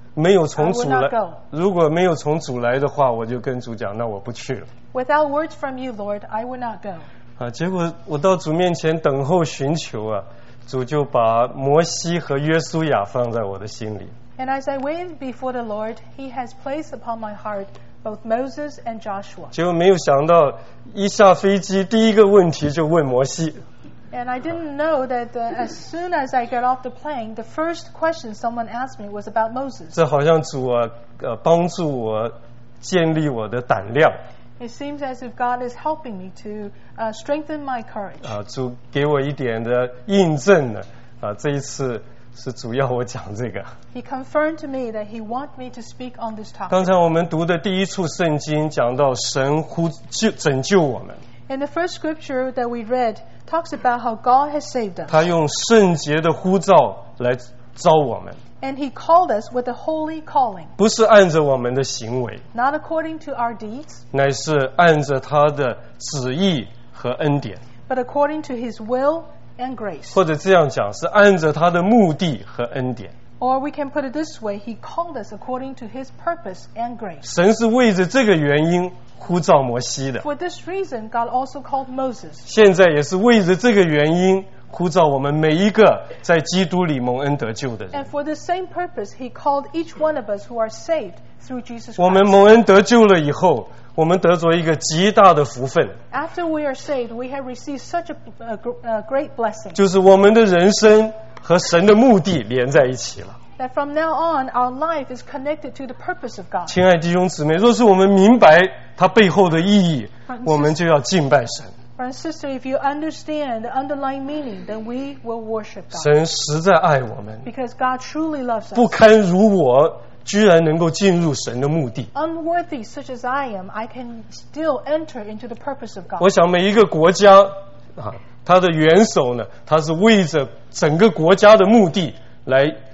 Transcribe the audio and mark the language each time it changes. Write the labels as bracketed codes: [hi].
[zh] 没有从主来，如果没有从主来的话，我就跟主讲，那我不去了。 [en] Without words from you, Lord, I will not go. [zh] 啊，结果我到主面前等候寻求啊，主就把摩西和约书亚放在我的心里。 [en] And as I went before the Lord, He has placed upon my heart both Moses and Joshua. [zh] 结果没有想到，一下飞机第一个问题就问摩西。 [en] And I didn't know that as soon as I got off the plane, the first question someone asked me was about Moses. [zh] 这好像主啊，帮助我建立我的胆量。 [en] It seems as if God is helping me to strengthen my courage. [zh] 主给我一点的印证呢，这一次是主要我讲这个。 [en] He confirmed to me that he wanted me to speak on this topic. [zh] 刚才我们读的第一处圣经讲到神呼救拯救我们。 [en] In the first scripture that we read,talks about how God has saved us. [zh] 他用圣洁的呼召来召我们。 [en] And he called us with a holy calling. [zh] 不是按着我们的行为。 [en] Not according to our deeds. [zh] 乃是按着他的旨意和恩典。 [en] But according to his will and grace. [zh] 或者这样讲，是按着他的目的和恩典。 [en] Or we can put it this way, he called us according to his purpose and grace. [zh] 神是为着这个原因呼召摩西的。 [en] For this reason, God also called Moses. [zh] 现在也是为着这个原因呼召我们每一个在基督里蒙恩得救的人。 [en] And for the same purpose, he called each one of us who are saved through Jesus Christ. [zh] 我们蒙恩得救了以后，我们得着一个极大的福分。 [en] After we are saved, we have received such a great blessing. [zh] 就是我们的人生和神的目的连在一起了。 [en] That from now on, our life is connected to the purpose of God. [zh] 亲爱弟兄姊妹，若是我们明白它背后的意义，我们就要敬拜神。 [en] Brother and sister, if you understand the underlying meaning, then we will worship God. [zh] 神实在爱我们。 [en] Because God truly loves us. [zh] 不堪如我，居然能够进入神的目的。 [en] Unworthy such as I am, I can still enter into the purpose of God. [zh] 我想每一个国家，他的元首呢，他是为着整个国家的目的来。